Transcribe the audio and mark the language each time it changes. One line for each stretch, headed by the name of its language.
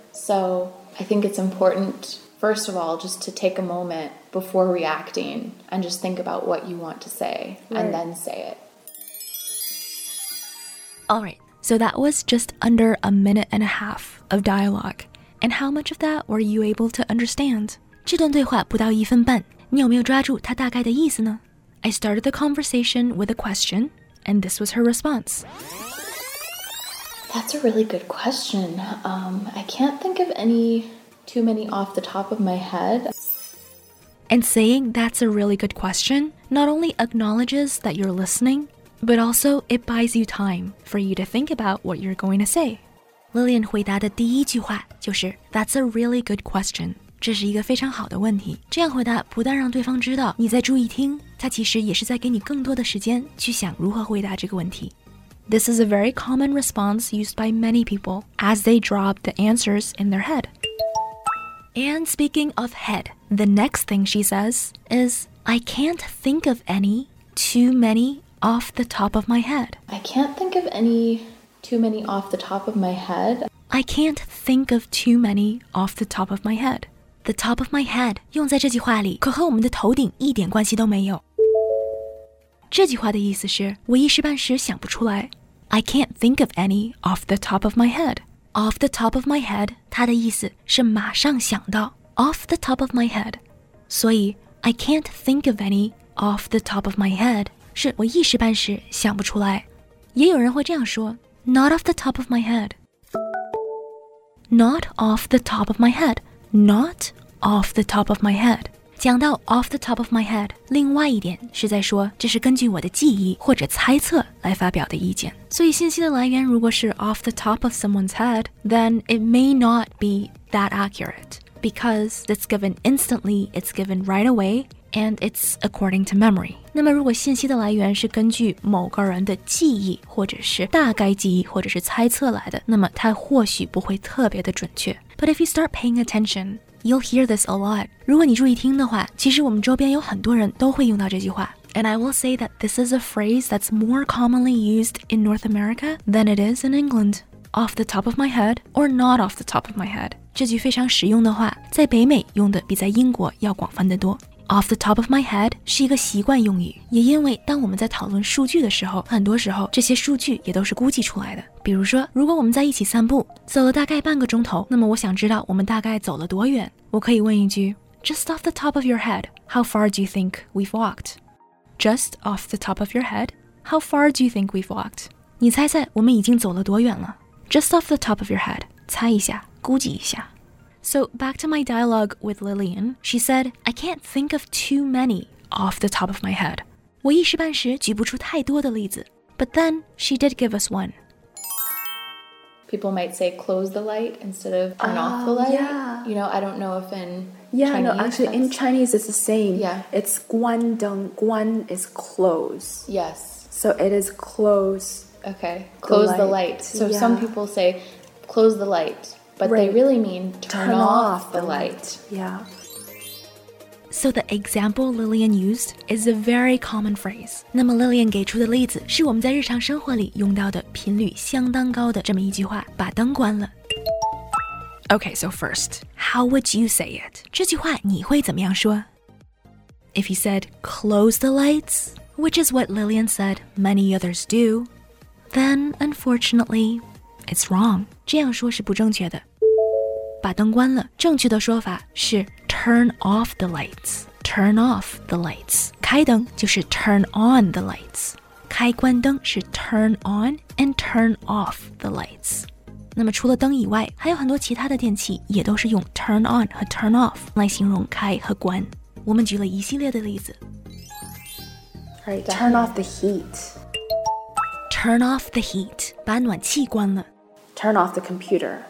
English: So I think it's important, first of all, just to take a moment before reacting and just think about what you want to say right. and then say it. All right. So that was just under a minute and a half of dialogue. And how much of that were you able to understand?
Chinese: 这段对话不到一分半，你有没有抓住它大概的意思呢?
English: I started the conversation with a question. And this was her response. That's a really good question. I can't think of any too many off the top of my head. And saying that's a really good question not only acknowledges that you're listening, but also it buys you time for you to think about what you're going to say.
Chinese: Lillian 回答的第一句话就是
English: That's a really good question.
Chinese: 这是一个非常好的问题。这样回答不但让对方知道你在注意听。他其实也是在给你更多的时间去想如何回答这个问题。
English: This is a very common response used by many people as they draw up the answers in their head. And speaking of head, the next thing she says is, I can't think of any too many off the top of my head. I can't think of any too many off the top of my head. I can't think of too many off the top of my head. The top of my head
Chinese: 用在这句话里可和我们的头顶一点关系都没有。这句话的意思是我一时半时想不出来。
English: I can't think of any off the top of my head. Off the top of my head,
Chinese: 它的意思是马上想到。
English: Off the top of my head. 所以 I can't think of any off the top of my head
Chinese: 是我一时半时想不出来。也有人会这样说
English: Not off the top of my head. Not off the top of my head. Not off the top of my head.
Chinese: 讲到
English: off the top of my head,
Chinese: 另外一点是在说这是根据我的记忆或者猜测来发表的意见。所以信息的来源如果是
English: off the top of someone's head, then it may not be that accurate. Because it's given instantly, it's given right away, and it's according to memory.
Chinese: 那么如果信息的来源是根据某个人的记忆或者是大概记忆或者是猜测来的，那么它或许不会特别的准确。
English: But if you start paying attention, You'll hear this a lot.
Chinese: 如果你注意听的话，其实我们周边有很多人都会用到这句话。
English: And I will say that this is a phrase that's more commonly used in North America than it is in England. Off the top of my head or not off the top of my head.
Chinese: 这句非常实用的话，在北美用的比在英国要广泛得多。
English: Off the top of my head
Chinese: 是一个习惯用语，也因为当我们在讨论数据的时候，很多时候这些数据也都是估计出来的。比如说，如果我们在一起散步，走了大概半个钟头，那么我想知道我们大概走了多远。我可以问一句 ，
English: Just off the top of your head, how far do you think we've walked? Just off the top of your head, how far do you think we've walked?
Chinese: 你猜猜我们已经走了多远了 ？
English: Just off the top of your head,
Chinese: 猜一下，估计一下。
English: So back to my dialogue with Lillian, she said, I can't think of too many off the top of my head.
Chinese: 我一时半时举不出太多的例子。
English: But then she did give us one. People might say close the light instead of turn off the light. Yeah. You know, I don't know if in Yeah, Chinese, no, actually in Chinese it's the same. Yeah. It's guan deng, guan is close. Yes. So it is close. Okay. Close the light. The light. So some people say close the light. But they really mean turn off the light. Yeah. So the example Lillian used is a very common phrase.
Chinese: 那么 Lillian 给出的例子是我们在日常生活里用到的频率相当高的这么一句话，把灯关了。
English: Okay, so first, how would you say it?
Chinese: 这句话你会怎么样说？
English: If you said close the lights, which is what Lillian said many others do, then unfortunately... It's wrong.
Chinese: 这样说是不正确的。把灯关了，正确的说法是
English: turn off the lights. Turn off the lights.
Chinese: 开灯就是
English: turn on the lights.
Chinese: 开关灯是
English: turn on and turn off the lights.
Chinese: 那么除了灯以外，还有很多其他的电器也都是用 turn on 和 turn off 来形容开和关。我们举了一系列的例子。
English: All right, turn off the heat. Turn off the heat.
Chinese: 把暖气关了。
English: Turn off the computer.